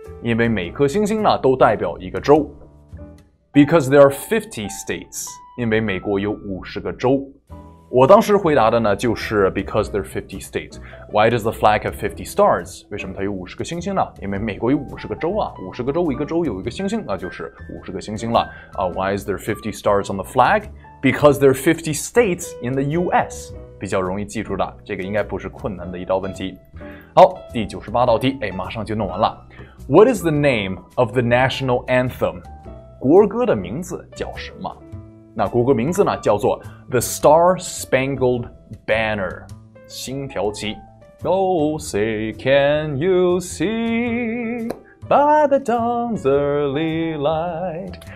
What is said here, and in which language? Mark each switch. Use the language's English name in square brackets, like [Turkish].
[Chinese] 因为每颗星星呢都代表一个州 [English] Because there are 50 states, [Chinese] 因为美国有50个州。我当时回答的呢就是 [English] because there are 50 states. Why does the flag have 50 stars? [Chinese] 为什么它有50个星星呢？因为美国有50个州啊，50个州一个州有一个星星，那就是50个星星了。 [English] Why is there 50 stars on the flag? Because there are 50 states in the U.S. [Chinese] 比较容易记住的，这个应该不是困难的一道问题。好，第98道题，哎，马上就弄完了。 [English] What is the name of the national anthem? [Chinese] 国歌的名字叫什么？那国歌名字呢？叫做 The Star Spangled Banner， 星条旗。 [English] Oh, say can you see by the dawn's early light？